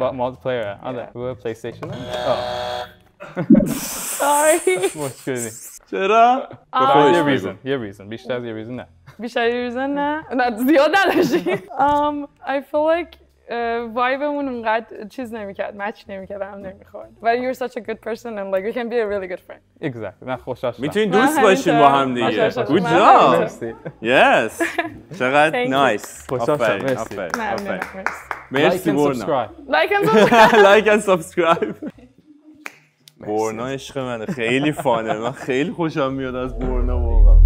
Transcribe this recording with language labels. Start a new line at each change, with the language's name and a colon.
English: But multiplayer هم. آره. We're PlayStation. Sorry.
Persian: چرا؟ یه ریزن بیشتر از یه ریزن نه. بیشتر از یه ریزن نه؟ نه زیاد نداشتیم. I feel like وایبمون اونقدر چیز نمیکرد، مچ نمیکرد، هم نمیخورد.
English: But you're such a good person and like we can be a really good friend.
Persian: Exactly. من خوش آشنا. میتونین دوست باشین با هم دیگه.
English: Good job. Yes. چقدر nice.
Persian: خوش آشنا. مرسی. مرسی. مرسی بورنا.
English: Like and subscribe. Like and subscribe.
Persian: بورنا عشق منه، خیلی فانه، من خیلی خوشم میاد از بورنا واقعا.